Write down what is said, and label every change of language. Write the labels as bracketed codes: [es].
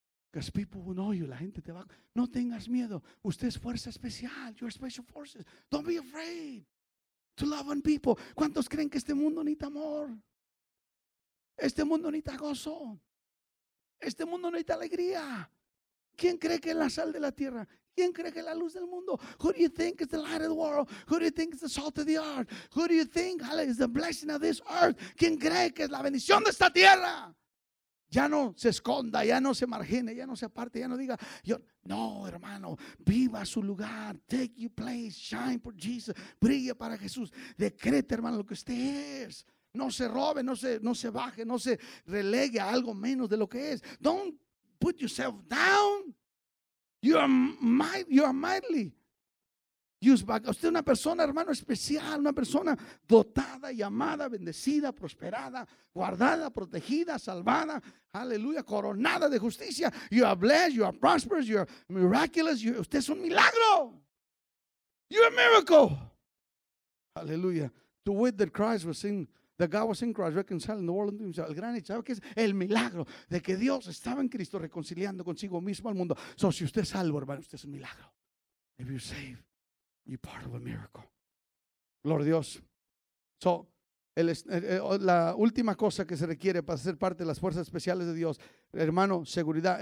[en] Because people will know you. [es] La gente te va. No tengas miedo. Usted es fuerza especial. [en] You're special forces. Don't be afraid to love on people. [es] ¿Cuántos creen que este mundo necesita amor? Este mundo necesita gozo. Este mundo necesita alegría. ¿Quién cree que es la sal de la tierra? ¿Quién cree que es la luz del mundo? [en] Who do you think is the light of the world? Who do you think is the salt of the earth? Who do you think is the blessing of this earth? [es] ¿Quién cree que es la bendición de esta tierra? Ya no se esconda, ya no se margine, ya no se aparte, ya no diga. Yo, no, hermano, viva su lugar. [en] Take your place, shine for Jesus. [es] Brille para Jesús. Decrete, hermano, lo que usted es. No se robe, no se baje, no se relegue a algo menos de lo que es. [en] Don't put yourself down. You are mightily. [es] Usted es una persona, hermano, especial, una persona dotada, llamada, bendecida, prosperada, guardada, protegida, salvada, aleluya, coronada de justicia. [en] You are blessed, you are prosperous, you are miraculous. [es] Usted es un milagro. [en] You are a miracle. Aleluya. To wit that Christ was in, that God was in Christ, reconciling the world unto himself. [es] El gran hecho, ¿sabe qué es? El milagro de que Dios estaba en Cristo reconciliando consigo mismo al mundo. So, si usted es salvo, hermano, usted es un milagro. [en] If you're saved. You're part of a miracle. [es] Gloria a Dios. So, la última cosa que se requiere para ser parte de las fuerzas especiales de Dios, hermano, seguridad.